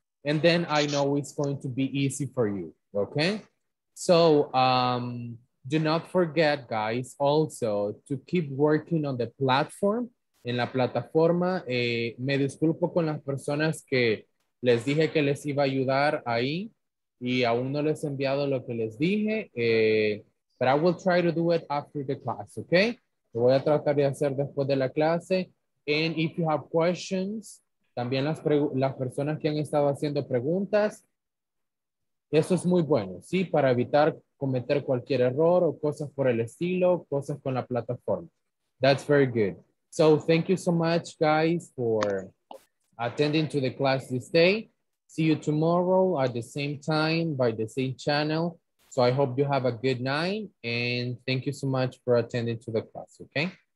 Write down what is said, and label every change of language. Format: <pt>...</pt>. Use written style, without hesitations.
<en>And then I know it's going to be easy for you, okay? So do not forget, guys, also to keep working on the platform.</en> <es>En la plataforma, me disculpo con las personas que les dije que les iba a ayudar ahí y aún no les he enviado lo que les dije.</es> <en>But I will try to do it after the class, okay?</en> <es>Lo voy a tratar de hacer después de la clase.</es> <en>And if you have questions,</en> <es>también las personas que han estado haciendo preguntas, eso es muy bueno, ¿sí? Para evitar cometer cualquier error o cosas por el estilo, cosas con la plataforma.</es> <en>That's very good. So thank you so much, guys, for attending to the class this day. See you tomorrow at the same time by the same channel. So I hope you have a good night and thank you so much for attending to the class, okay?</en>